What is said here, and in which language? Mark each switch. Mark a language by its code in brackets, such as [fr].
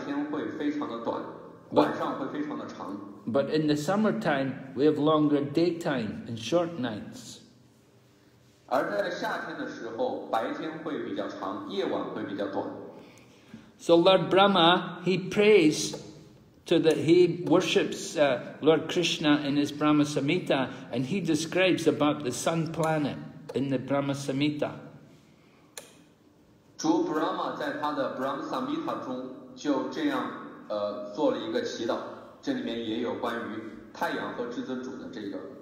[zh] 就像我们在冬天的时候，我们的白天会非常的短，晚上会非常的长。 [en] But in the summertime, we have longer daytime and short nights. [zh] 而在夏天的时候，白天会比较长，夜晚会比较短。So [en] Lord Brahma, he prays to the he worships Lord Krishna in his Brahma Samhita, and he describes about the sun planet in the Brahma Samhita. [zh] 主 Brahma 在他的 Brahma Samhita 中就这样做了一个祈祷，这里面也有关于太阳和至尊主的这个。